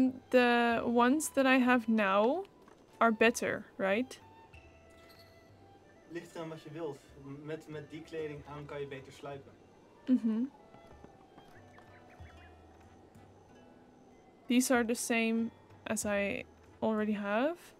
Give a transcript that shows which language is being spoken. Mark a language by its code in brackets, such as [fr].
[en] The ones that I have now are better, right? [nl] Ligt eraan wat je wilt. Met die kleding aan kan je beter sluipen. Mm-hmm. [en] These are the same as I already have.